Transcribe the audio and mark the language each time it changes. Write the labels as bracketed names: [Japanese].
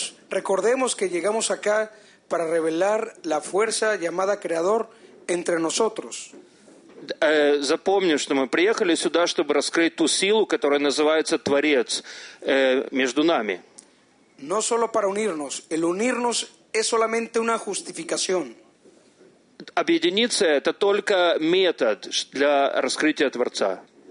[Spanish] Recordemos que llegamos acá para revelar la fuerza llamada Creador entre nosotros. [Russian] Запомним, что мы приехали сюда, чтобы раскрыть ту силу, которая называется Творец между нами. [Spanish] No solo para unirnos. El unirnos es solamente una justificación. [Russian] Объединиться – это только метод для раскрытия Творца.